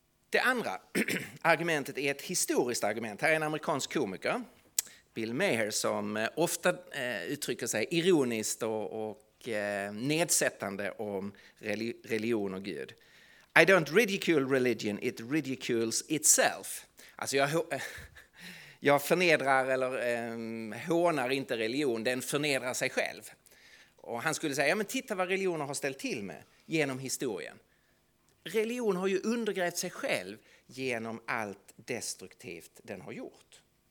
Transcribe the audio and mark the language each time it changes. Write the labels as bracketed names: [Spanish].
[Swedish] Det andra argumentet är ett historiskt argument. Här är en amerikansk komiker, Bill Maher, som ofta uttrycker sig ironiskt och nedsättande om religion och Gud. [English] I don't ridicule religion, it ridicules itself. [Swedish] Alltså jag förnedrar eller hånar inte religion, den förnedrar sig själv. Och han skulle säga, ja, men titta vad religionen har ställt till med genom historien. Religion har ju undergrävt sig själv genom allt destruktivt den har gjort.